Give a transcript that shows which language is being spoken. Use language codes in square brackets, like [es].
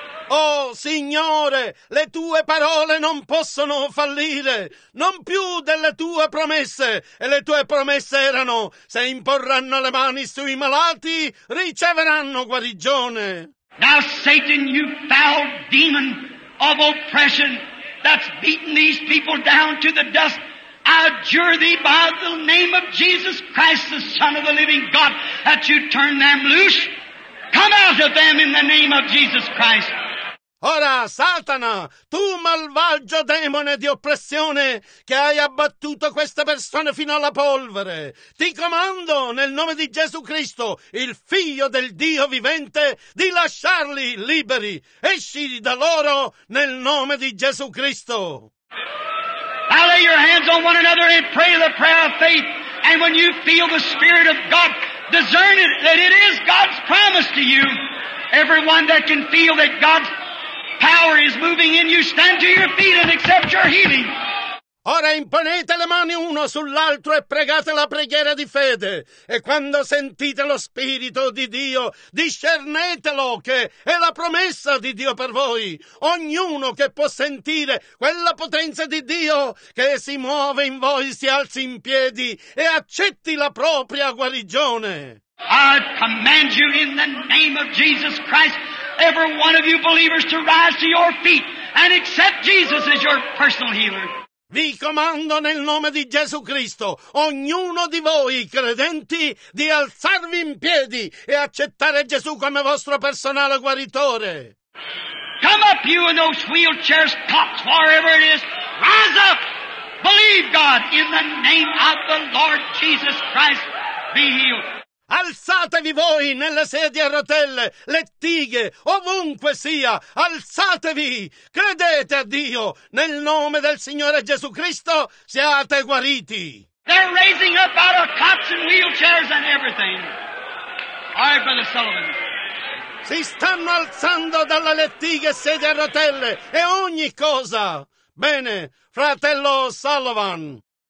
[it] Oh, Signore, le Tue parole non possono fallire, non più delle Tue promesse. E le Tue promesse erano, se imporranno le mani sui malati, riceveranno guarigione. [en] Now, Satan, you foul demon of oppression that's beaten these people down to the dust, I adjure thee by the name of Jesus Christ, the Son of the living God, that you turn them loose. Come out of them in the name of Jesus Christ. [it] Ora, Satana, tu malvagio demone di oppressione che hai abbattuto queste persone fino alla polvere, ti comando nel nome di Gesù Cristo, il Figlio del Dio vivente, di lasciarli liberi. Esci da loro nel nome di Gesù Cristo. [en] Now lay your hands on one another and pray the prayer of faith. And when you feel the Spirit of God, discern it, that it is God's promise to you. Everyone that can feel that God's power is moving in you, stand to your feet and accept your healing. [it] Ora imponete le mani uno sull'altro e pregate la preghiera di fede. E quando sentite lo Spirito di Dio, discernetelo che è la promessa di Dio per voi. Ognuno che può sentire quella potenza di Dio che si muove in voi, si alzi in piedi e accetti la propria guarigione. [en] I command you in the name of Jesus Christ, every one of you believers, to rise to your feet and accept Jesus as your personal healer. [it] Vi comando nel nome di Gesù Cristo, ognuno di voi credenti, di alzarvi in piedi e accettare Gesù come vostro personale guaritore. [en] Come up, you in those wheelchairs, cops, wherever it is, rise up, believe God, in the name of the Lord Jesus Christ, be healed. [it] Alzatevi voi nelle sedie a rotelle, lettighe, ovunque sia, alzatevi! Credete a Dio, nel nome del Signore Gesù Cristo, siate guariti! [en] They're raising up out of cots and wheelchairs and everything. All right, Brother Sullivan. [it] Si stanno alzando dalle lettighe e sedie a rotelle, e ogni cosa! Bene, fratello Sullivan!